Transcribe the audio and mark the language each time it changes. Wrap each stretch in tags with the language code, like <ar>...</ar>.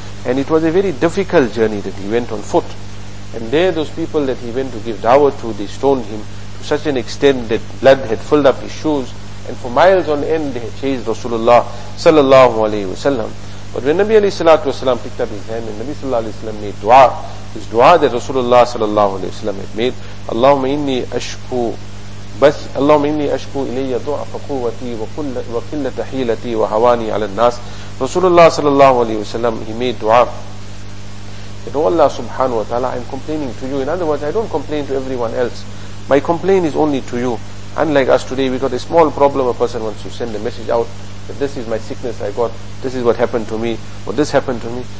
<en>And it was a very difficult journey that he went on foot. And there those people that he went to give dawah to, they stoned him to such an extent that blood had filled up his shoes. And for miles on end they had chased Rasulullah sallallahu alayhi wa sallam. But when Nabi alayhi salatu wasalam picked up his hand and Nabi sallallahu alayhi wa sallam made dua, this dua that Rasulullah sallallahu alayhi wa sallam had made,</en> <ar>Allahumma inni ashku بس اللهم إني أشكو إلي ضعف قوتي وقلة حيلتي وهواني على الناس. رسول الله صلى الله عليه وسلم,</ar> <en>he made dua that, oh Allah subhanahu wa ta'ala, I'm complaining to you. In other words, I don't complain to everyone else. My complaint is only to you. Unlike us today, we got a small problem, a person wants to send a message out that this is my sickness I got, this is what happened to me, or this happened to me.</en>